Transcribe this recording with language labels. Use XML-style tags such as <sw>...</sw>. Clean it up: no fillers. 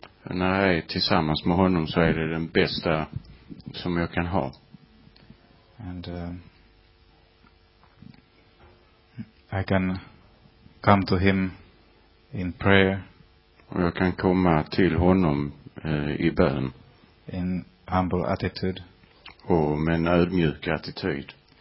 <sv>När jag är tillsammans med honom så är det den bästa som jag kan ha.</sv> <en>And I can come to him in prayer.</en> <sv>Och jag kan komma till honom i bön.</sv> <en>In humble attitude.</en> <sv>Och med en ödmjuk attityd.</sv>